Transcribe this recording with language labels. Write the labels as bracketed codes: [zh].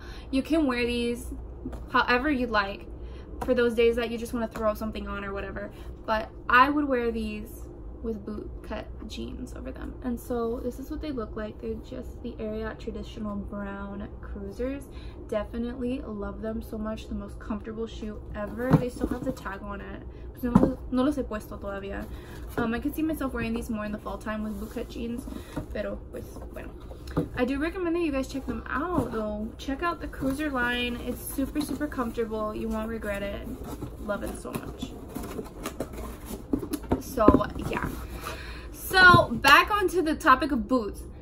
[en] You can wear these however you'd like for those days that you just want to throw something on or whatever, but I would wear these with boot cut jeans over them. And so this is what they look like. They're just the Area traditional brown cruisers. Definitely love them so much. The most comfortable shoe ever. They still have the tag on it. [es] No los he puesto todavía. [en] I could see myself wearing these more in the fall time with bootcut jeans, [es] pero pues bueno. [en] I do recommend that you guys check them out though. Check out the cruiser line. It's super super comfortable. You won't regret it. Love it so much. So yeah. So back onto the topic of boots.